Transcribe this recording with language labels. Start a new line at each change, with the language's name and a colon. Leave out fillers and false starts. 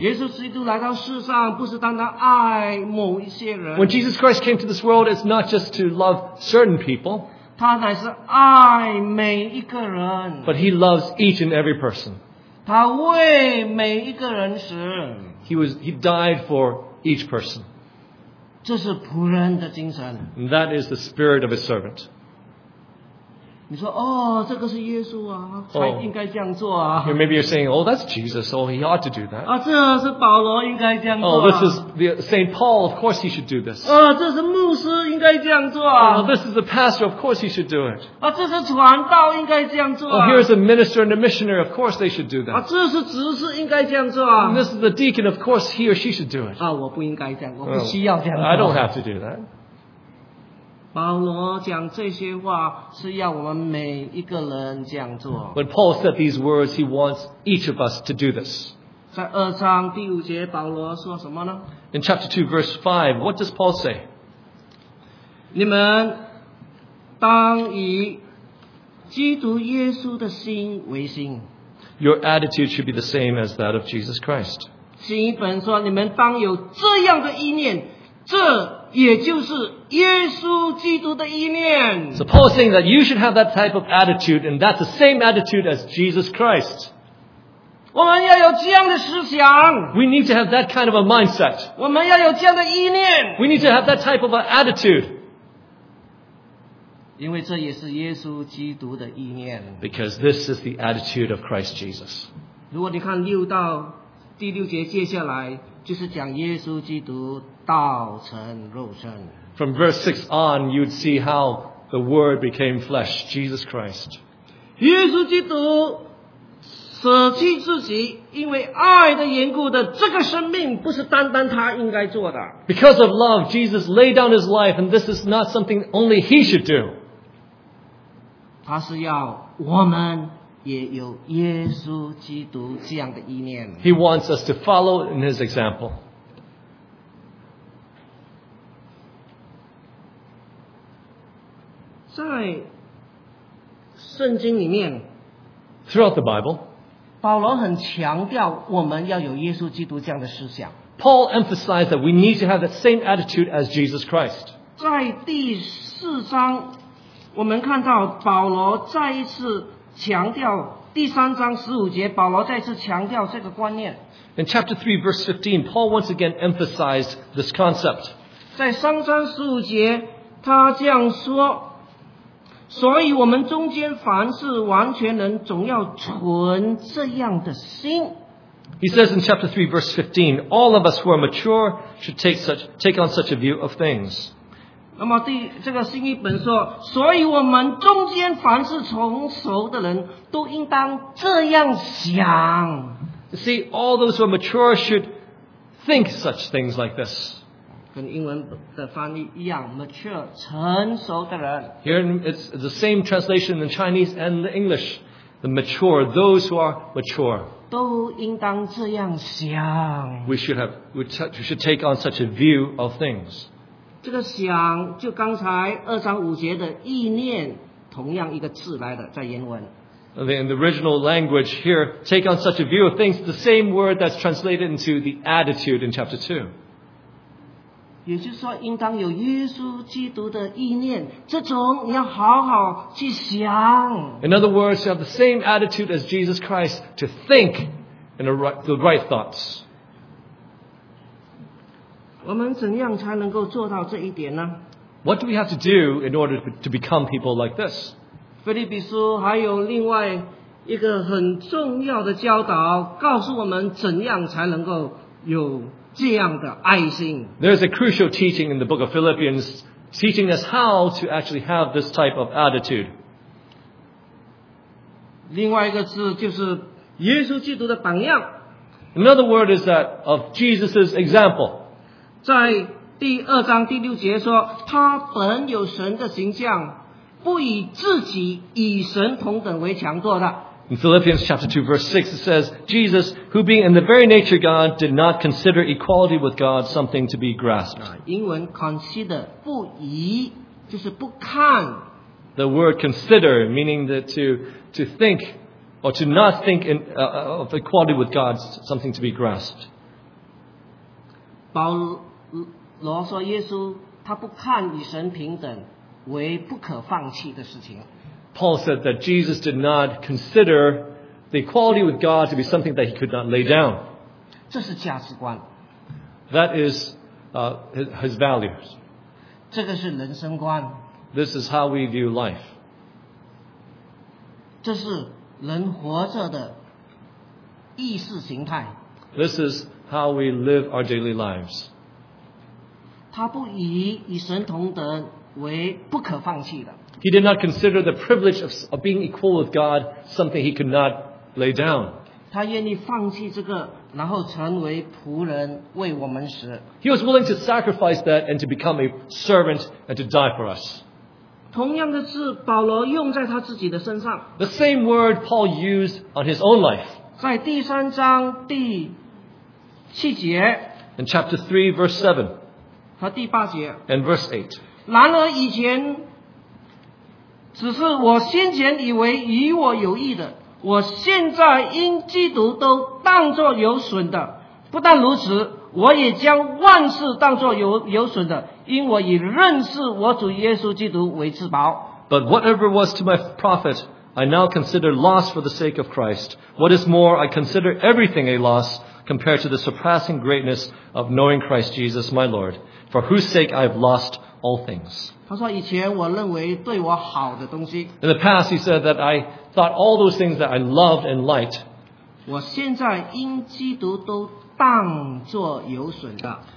Chinese: 耶稣基督来到世上不是单单爱某一些人。
English: When Jesus Christ came to this world, it's not just to love certain people.
Chinese: 他乃是爱每一个人。
English: But he loves each and every person.
Chinese: 他为每一个人死。
English: He died for each person.
Chinese: 这是仆人的精神。
English: And that is the spirit of a servant.
Chinese: 你说哦，这个是耶稣啊，他应该这样做啊。
English: Oh, you maybe you're saying, oh, that's Jesus, so he ought to do that.
Chinese: 啊，这是保罗应该这样做、啊。
English: Oh, this is the Saint Paul. Of course, he should do this.
Chinese: 啊，这是牧师应该这样做啊。
English: Oh, this is the pastor. Of course, he should do it.
Chinese: 啊，这是传道应该这样做、啊。
English: Oh, here's a minister and a missionary. Of course, they should do that.
Chinese: 啊，这是执事应该这样做啊。
English: And this is the deacon. Of course, he or she should do it.
Chinese: 啊，我不应该这样，我不需要这样做。
English: I don't have to do that.
Chinese: 保罗讲这些话是要我们每一个人这样做。
English: When Paul said these words, he wants each of us to do this.
Chinese: 在二章第五节，保罗说什么呢？
English: In chapter 2, verse 5, what does Paul say?
Chinese: 你们当以基督耶稣的心为心。
English: Your attitude should be the same as that of Jesus Christ.
Chinese: 新译本说，你们当有这样的意念，这也就是耶稣基督的意念。
English: So Paul is saying that you should have that type of attitude, and that's the same attitude as Jesus Christ.
Chinese: 我们要有这样的思想。
English: We need to have that kind of a mindset.
Chinese: 我们要有这样的意念。
English: We need to have that type of an attitude.
Chinese: 因为这也是耶稣基督的意念。
English: Because this is the attitude of Christ Jesus.
Chinese: 如果你看六到第六节接下来，就是讲耶稣基督道成肉身。
English: From verse 6 on, you'd see how the Word became flesh, Jesus Christ.
Chinese: 耶稣基督舍弃自己，因为爱的缘故的，这个生命不是单单他应该做的。
English: Because of love, Jesus laid down his life, and this is not something only he should do.
Chinese: 他是要我们也有耶稣基督这样的意念。
English: He wants us to follow in his example.
Chinese: 在圣经里面
English: ，throughout the Bible，
Chinese: 保罗很强调我们要有耶稣基督这样的思想。
English: Paul emphasized that we need to have the same attitude as Jesus Christ.
Chinese: 在第四章，我们看到保罗再一次强调第三章十五节，保罗再次强调这个观念。
English: In chapter 3, verse 15, Paul once again emphasized this concept.
Chinese: 在三章十五节，他这样说：所以我们中间凡是完全人，总要存这样的心。
English: He says in chapter 3, verse 15, all of us who are mature should take on such a view of things.
Chinese: 那么第这个新译本说，所以我们中间凡是成熟的人都应当这样想。
English: You see, all those who are mature should think such things like this.
Chinese: 跟英文的翻译一样 ，mature 成熟的人。
English: Here it's the same translation in Chinese and the English. The mature, those who are mature.
Chinese: 都应当这样想。
English: We should take on such a view of things.
Chinese: 这个想就刚才二章五节的意念同样一个字来的，在原文。
English: In the original language here, take on such a view of things, the same word that's translated into the attitude in chapter 2.
Chinese: 也就是说应当有耶稣基督的意念，这种你要好好去想。
English: In other words, you have the same attitude as Jesus Christ to think in the right thoughts.
Chinese: 我们怎样才能够做到这一点呢？
English: What do we have to do in order to become people like this?
Chinese: 腓立比书还有另外一个很重要的教导，告诉我们怎样才能够有这样的爱心。
English: There's a crucial teaching in the book of Philippians teaching us how to actually have this type of attitude.
Chinese: 另外一个字就是耶稣基督的榜样。
English: Another word is that of Jesus' example.
Chinese: 在第二章第六节说，他本有神的形象，不以自己与神同等为强夺的。
English: In Philippians chapter 2 verse 6 it says, Jesus, who being in the very nature God, did not consider equality with God something to be grasped.
Chinese: 英文 consider, 不以就是不看。
English: The word consider, meaning that to think, or to not think in, of equality with God, something to be grasped.
Chinese: 保罗说耶稣他不看与神平等为不可放弃的事情。
English: Paul said that Jesus did not consider the equality with God to be something that he could not lay down.
Chinese: 这是价值观。
English: That is his values.
Chinese: 这个是人生观。
English: This is how we view life.
Chinese: 这是人活着的意识形态。
English: This is how we live our daily lives.
Chinese: 他不以与神同德为不可放弃的。
English: He did not consider the privilege of being equal with God something he could not lay down.
Chinese: 他愿意放弃这个，然后成为仆人为我们死。
English: He was willing to sacrifice that and to become a servant and to die for us.
Chinese: 同样的字，保罗用在他自己的身上。
English: The same word Paul used on his own life.
Chinese: 在第三章第七节。
English: In chapter 3, verse 7.
Chinese: 和第八节。
English: And verse 8.
Chinese: 然而以前只是我先前以为与我有益的，我现在因基督都当作有损的。不但如此，我也将万事当作 有损的，因我以认识我主耶稣基督为至宝。
English: But whatever was to my profit, I now consider loss for the sake of Christ. What is more, I consider everything a loss compared to the surpassing greatness of knowing Christ Jesus my Lord, for whose sake I have lostall things. In the past, he said that I thought all those things that I loved and liked,
Chinese: 我现在因基督都当作有损的。